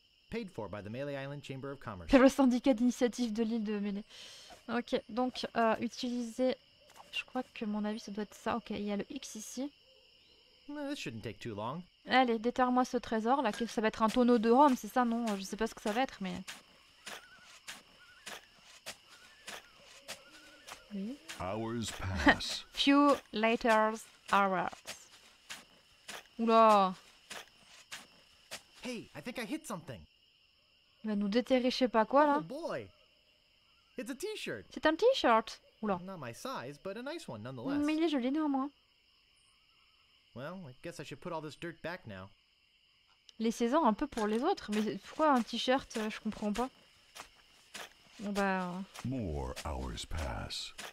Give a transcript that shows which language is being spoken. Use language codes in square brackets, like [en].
[en] Paid for by the Melee Island Chamber of Commerce. [fr] C'est le syndicat d'initiative de l'île de Melee. Ok, donc utiliser. Je crois que mon avis, ça doit être ça. Ok, il y a le X ici. [en] This shouldn't take too long. [fr] Allez, déterre-moi ce trésor là. Ça va être un tonneau de rhum, c'est ça? Non, je sais pas ce que ça va être, mais. [en] Hours pass. Few later hours. Oula! Hey, I think I hit something. [fr] Il va nous déterrer, je sais pas quoi là. [en] Oh boy. It's a t-shirt. [fr] C'est un t-shirt. Oula. [en] Not my size, but a nice one nonetheless. [fr] Mais il est joli néanmoins. [en] Well, I guess I should put all this dirt back now. [fr] Laissez-en un peu pour les autres, mais pourquoi un t-shirt, je comprends pas. Bon bah. [en] More hours pass.